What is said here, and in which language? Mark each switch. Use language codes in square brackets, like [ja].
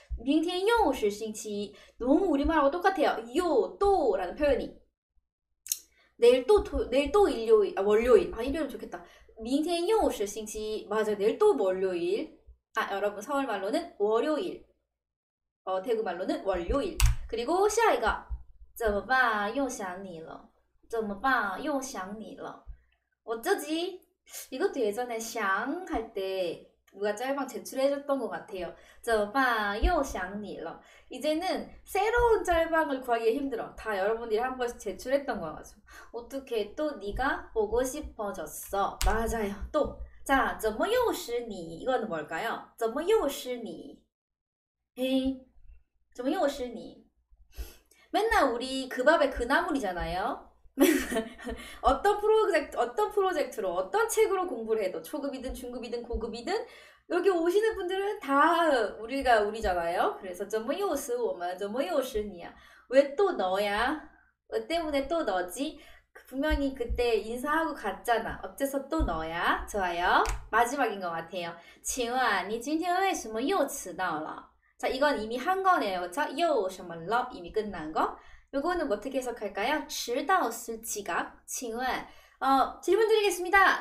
[zh] 明天又是星期一. [ko] 너무 우리말하고 똑같아요. 요, 또라는 표현이. 내일 또 일요일, 아, 월요일. 아, 일요일 좋겠다. [zh] 明天又是星期一. [ko] 맞아, 내일 또 월요일. 아, 여러분, 서울 말로는 월요일. 대구 말로는 월요일. [zh] 그리고 下一个怎么办又想你了怎么办又想你了 [ko] 어쩌지? 이것도 예전에 샹할때 누가 짤방 제출해줬던 것 같아요. [zh] 怎么办又想你了 [ko] 이제는 새로운 짤방을 구하기 힘들어. 다 여러분들이 한 번씩 제출했던 거 가지고 어떻게 또 네가 보고 싶어졌어. 맞아요. 또자 [zh] 怎么又是你 [ko] 이거는 뭘까요? 怎么又是你 에이 怎么又是你 맨날 우리 그 밥에 그 나물이잖아요. 어떤 프로젝트로 어떤 책으로 공부를 해도 초급이든 중급이든 고급이든 여기 오시는 분들은 다 우리가 우리잖아요. [zh] 그래서 怎么又是我们?怎么又是你呀? [ko] 왜또 너야? 왜 때문에 또 너지? 분명히 그때 인사하고 갔잖아. 어째서 또 너야? 좋아요. 마지막인 것 같아요. [zh] 请问你今天为什么又迟到了? [ko] 자, 이건 이미 한 거네요. 자, 요, [zh] 什么了 [ko] 이미 끝난 거. 요거는 어떻게 해석할까요? 迟到是 지각. 请问, 질문 드리겠습니다.